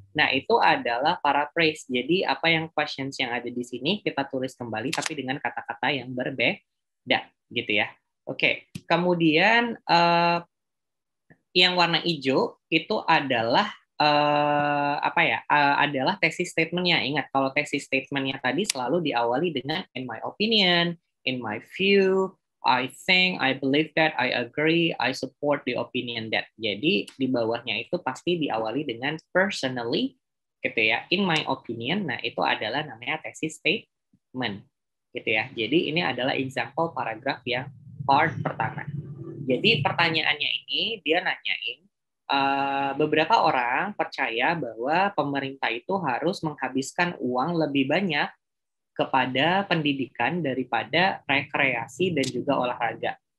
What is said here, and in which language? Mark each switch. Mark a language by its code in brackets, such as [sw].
[id] Nah, itu adalah paraphrase. Jadi apa yang questions yang ada di sini kita tulis kembali tapi dengan kata-kata yang berbeda gitu ya. Oke, kemudian yang warna hijau itu adalah adalah thesis statement-nya. Ingat, kalau thesis statement-nya tadi selalu diawali dengan [en] in my opinion, in my view, I think, I believe that, I agree, I support the opinion that. [id] Jadi di bawahnya itu pasti diawali dengan personally, gitu ya. [en] In my opinion, [id] nah itu adalah namanya thesis statement, gitu ya. Jadi ini adalah example paragraph yang part pertama. Jadi pertanyaannya ini dia nanyain beberapa orang percaya bahwa pemerintah itu harus menghabiskan uang lebih banyak kepada pendidikan daripada rekreasi dan juga olahraga.